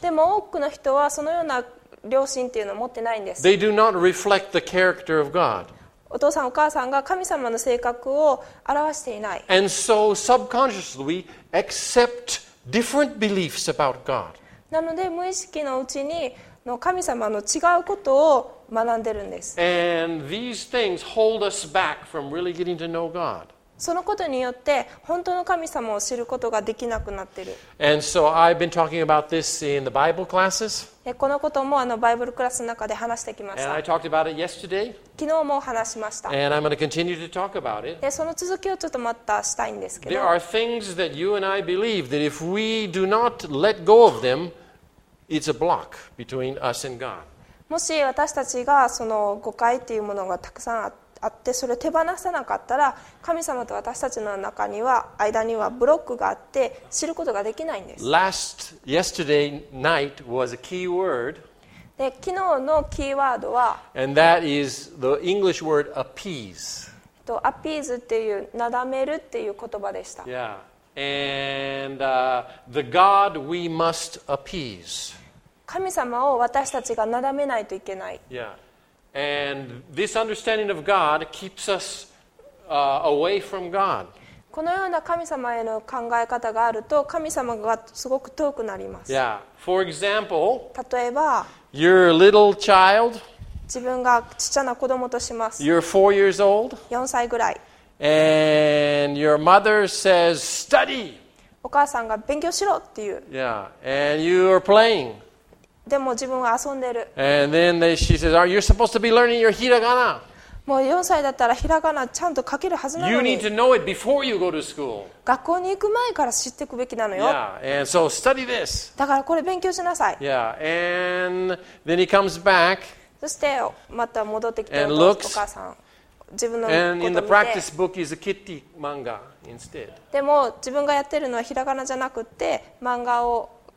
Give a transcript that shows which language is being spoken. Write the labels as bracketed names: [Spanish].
[Japanese] でも多くの人はそのような両親っていうのを持ってないんです。 [English] They do not reflect the character of God. [Japanese] お父さんお母さんが神様の性格を表していない。 [English] And so subconsciously we accept different beliefs about God. [Japanese] なので無意識のうちにの神様の違うことを学んでるんです。 [English] And these things hold us back from really getting to know God. [Japanese] そのことによって本当の神様を知ることができなくなってる。 [English] And so I've been talking about this in the Bible classes. [Japanese] このこともバイブルクラスの中で話してきました。昨日も話しました。で、その続きをちょっとまたしたいんですけど。 [English] There are things that you and I believe that if we do not let go of them, it's a block between us and God. [Japanese] もし私たちがその誤解っていうものがたくさんあってそれを手放さなかったら神様と私たちの中には間にはブロックがあって知ることができないんです。 [English] Last yesterday night was a key word. [Japanese] で昨日のキーワードは [English] And that is the English word appease. [Japanese] Appease っていうなだめるっていう言葉でした。 [English] Yeah. And the God we must appease. [Japanese] 神様を私たちがなだめないといけない。 [English] Yeah. And this understanding of God keeps us away from God. [Japanese] このような神様への考え方があると、神様がすごく遠くなります。 [English] Yeah. For example, [Japanese] 例えば、 [English] your little child, [Japanese] 自分がちっちゃな子供とします。 [English] You're 4 years old, [Japanese] 4歳ぐらい。 [English] And your mother says, study! [Japanese] お母さんが勉強しろっていう。 [English] Yeah. And you're playing. [Japanese] でも自分は遊んでる。 [English] And then she says, "Are you supposed to be learning your hiragana?" [Japanese] もう4歳だったらひらがなちゃんと書けるはずなのに。 [English] You need to know it before you go to school. [Japanese] 学校に行く前から知っていくべきなのよ。 [English] Yeah, and so study this. [Japanese] だからこれ勉強しなさい。 [English] Yeah, and then he comes back. [Japanese] そしてまた戻ってきて [English] and looks, [Japanese] お母さん自分の子を見て。 [English] And in the practice book is a kitty manga instead. [Japanese] でも自分がやってるのはひらがなじゃなくて漫画を。